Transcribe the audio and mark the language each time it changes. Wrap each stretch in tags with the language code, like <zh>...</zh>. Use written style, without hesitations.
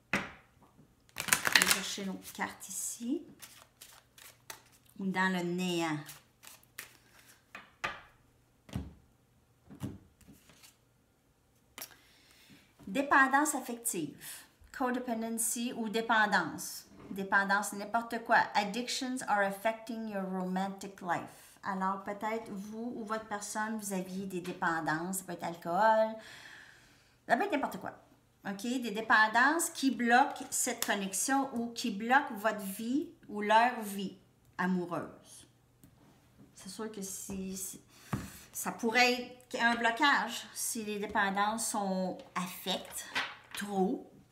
<fr>Je vais chercher nos cartes ici. Ou dans le néant. Dépendance affective. Codependency ou dépendance. Dépendance, n'importe quoi.</fr> <en>Addictions are affecting your romantic life.</en> <fr>Alors, peut-être vous ou votre personne, vous aviez des dépendances. Ça peut être alcool. Ça peut être n'importe quoi. OK? Des dépendances qui bloquent cette connexion ou qui bloquent votre vie ou leur vie amoureuse. C'est sûr que si ça pourrait être un blocage si les dépendances sont affectes trop.</fr>